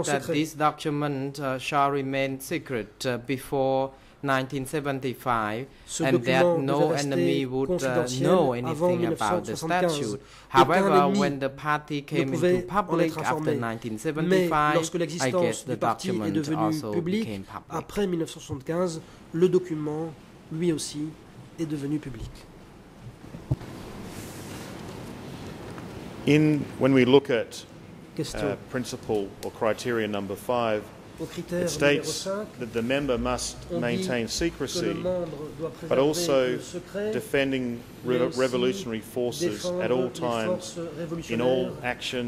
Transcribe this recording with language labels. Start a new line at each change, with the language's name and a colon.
English: I can say that this document shall remain secret before 1975, and that no enemy would know anything about the statute. However, when the party came into public after 1975, I guess the document also became public.
French: Après 1975, le document lui aussi est devenu public.
English: In when we look at principle or criteria number 5. It states 5, that the member must maintain secrecy, but also secret, defending revolutionary forces at all times, in all action,